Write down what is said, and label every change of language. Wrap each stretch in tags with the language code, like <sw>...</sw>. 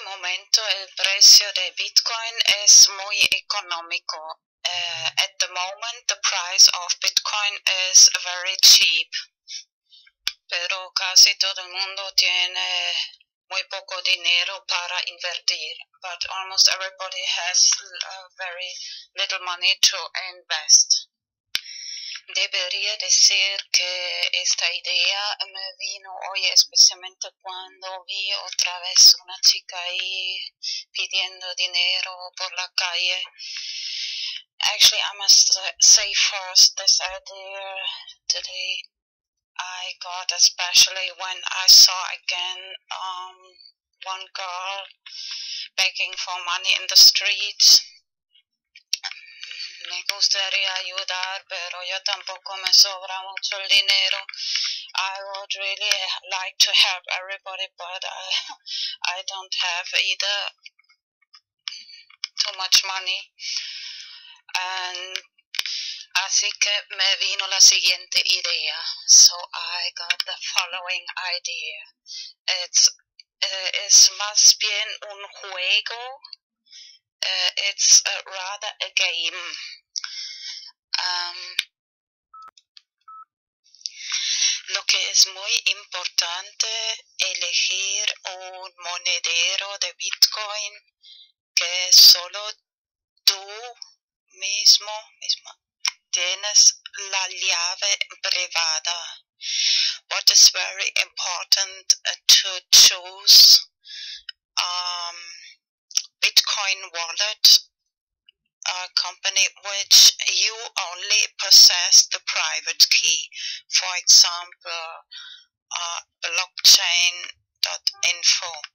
<es>El precio de Bitcoin es muy económico.</es> <en>At the moment, the price of Bitcoin is very cheap.</en> <es>Pero casi todo el mundo tiene muy poco dinero para invertir.</es> <en>But almost everybody has very little money to invest.</en> <es>Debería decir que esta idea me vino hoy, especialmente cuando vi otra vez una chica ahí pidiendo dinero por la calle.</es> <en>Actually, I must say first this idea today I got, especially when I saw again one girl begging for money in the streets.</en> <es>Me gustaría ayudar, pero yo tampoco me sobra mucho el dinero.</es> <en>I would really like to help everybody, but I don't have either too much money.</en> <es>And así que me vino la siguiente idea.</es> <en>So I got the following idea. It's</en> <es>más bien un juego.</es> <en>It's rather a game.</en> <es>Lo que es muy importante elegir un monedero de Bitcoin que solo tú mismo tienes la llave privada.</es> <en>What is very important to choose Bitcoin wallet, a company which you only possess the private key, for example, blockchain.info.</en>